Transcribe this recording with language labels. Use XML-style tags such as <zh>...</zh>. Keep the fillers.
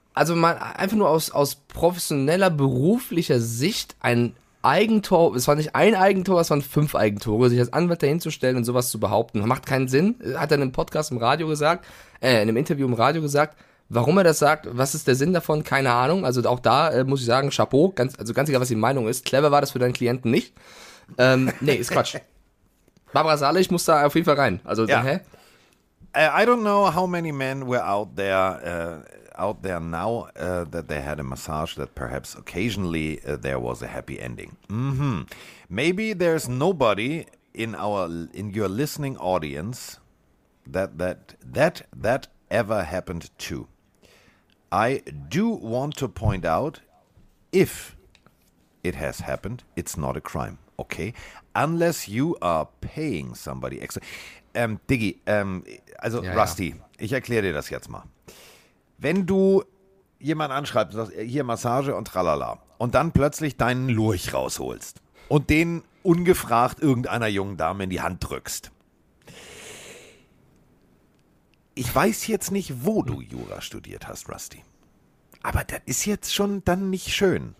<de>Also mal einfach nur aus, aus professioneller, beruflicher Sicht ein, Eigentor, es war nicht ein Eigentor, es waren fünf Eigentore, sich als Anwärter hinzustellen und sowas zu behaupten, macht keinen Sinn. Hat er in einem Podcast im Radio gesagt, äh, in einem Interview im Radio gesagt, warum er das sagt, was ist der Sinn davon, keine Ahnung. Also auch da äh, muss ich sagen, Chapeau, ganz, also ganz egal, was die Meinung ist, clever war das für deinen Klienten nicht. Ähm, nee, ist Quatsch. Barbara Sale, ich muss da auf jeden Fall rein. Also, ja. äh, hä?</de> <en>I don't know how many men were out there. Uh out there now uh, that they had a massage that perhaps occasionally uh, there was a happy ending mm -hmm. maybe there's nobody in our in your listening audience that that that that ever happened to i do want to point out if it has happened it's not a crime okay unless you are paying somebody extra um diggy um also yeah, rusty yeah.</en> <de>ich erkläre dir das jetzt mal. wenn du jemanden anschreibst, sagst, hier Massage und tralala, und dann plötzlich deinen Lurch rausholst und den ungefragt irgendeiner jungen Dame in die Hand drückst. Ich weiß jetzt nicht, wo du Jura studiert hast, Rusty. Aber das ist jetzt schon dann nicht schön.</de>